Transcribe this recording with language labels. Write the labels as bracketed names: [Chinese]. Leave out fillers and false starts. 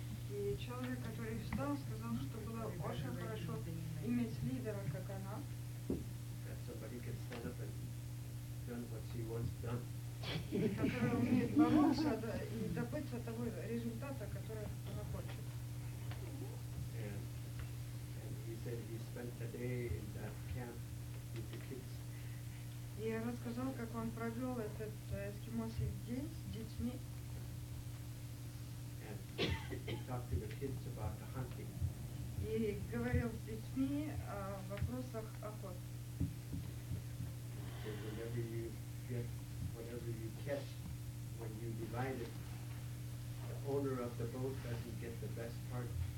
[Russian] И человек, который встал, сказал, что было очень хорошо иметь лидера, как она. [English] That somebody can stand up and done what she wants done. [Russian] И который умеет бороться и добиться того результата, который она хочет. [English] And he said he spent the day in that camp with the kids. [Russian] И рассказал, как он провел этот эскимосий день с детьми. [English] He talked to the kids about the hunting. [Russian] И говорил с детьми о вопросах охоты. [English] So whenever you get, whatever you catch, when you divide it, the owner of the boat doesn't get the best part.